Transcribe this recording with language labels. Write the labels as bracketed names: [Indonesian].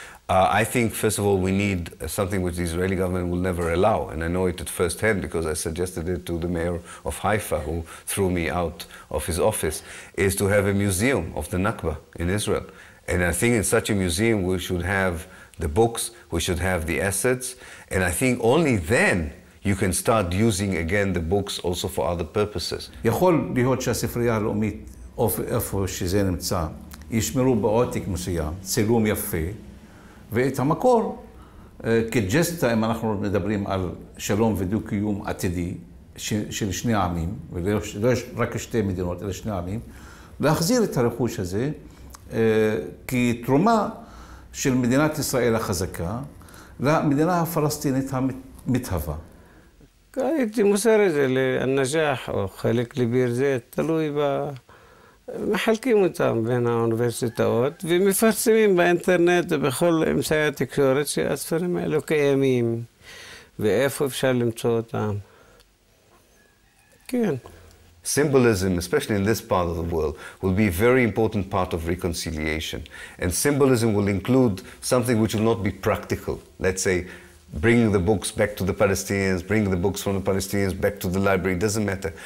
[English] I think, first of all, we need something which the Israeli government will never allow, and I know it at first hand because I suggested it to the mayor of Haifa, who threw me out of his office, is to have a museum of the Nakba in Israel. And I think in such a museum we should have the books, we should have the assets, and I think only then you can start using again the books also for other purposes. [Hebrew] יכול להיות שהספרייה הלאומית, איפה שזה נמצא, ישמרו בעותק מסוים, צילום יפה, ואת המקור, כג'סטה, אם אנחנו מדברים על שלום ודו-קיום עתידי של שני העמים, ולא יש רק שתי מדינות, אלא שני העמים, להחזיר את הרכוש הזה כתרומה של מדינת ישראל החזקה למדינה הפלסטינית המתהווה. הייתי מוסר את זה לנג'אח או חלק לביר זה, תלוי ב... מחלקים אותם בין האוניברסיטאות ומפרסמים באינטרנט ובכל אמצעי התקשורת שהספרים האלו קיימים ואיפה אפשר למצוא אותם. כן. [English] Symbolism, especially in this part of the world, will be a very important part of reconciliation. And symbolism will include something which will not be practical. Let's say, bringing the books back to the Palestinians, bringing the books from the Palestinians back to the library, it doesn't matter.